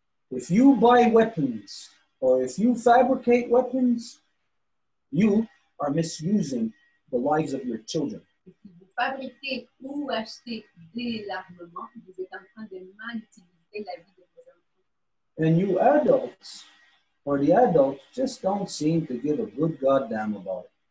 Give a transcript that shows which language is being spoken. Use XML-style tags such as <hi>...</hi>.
<en>If you buy weapons, or if you fabricate weapons, you are misusing the lives of your children.</en> <fr>Fabriquer ou acheter de l'armement, vous êtes en train de mal utiliser la vie de vos enfants.</fr> <en>And you adults, or the adults, just don't seem to give a good goddamn about</en>